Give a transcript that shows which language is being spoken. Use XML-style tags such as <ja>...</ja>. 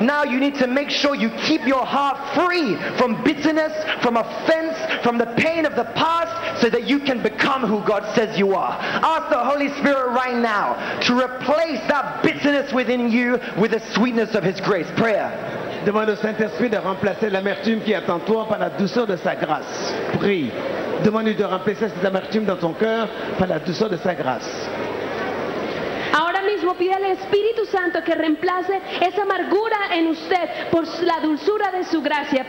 <en>Now you need to make sure you keep your heart free from bitterness, from offense, from the pain of the past, so that you can become who God says you are. Ask the Holy Spirit right now to replace that bitterness within you with the sweetness of His grace. Prayer.</en> <fr>Demande au Saint-Esprit de remplacer l'amertume qui est en toi par la douceur de sa grâce. Prie. Demande-lui de remplacer cette amertume dans ton cœur par la douceur de sa grâce.</fr> <es>Ahora mismo pide al Espíritu Santo que reemplace esa amargura en usted por la dulzura de su gracia.</es>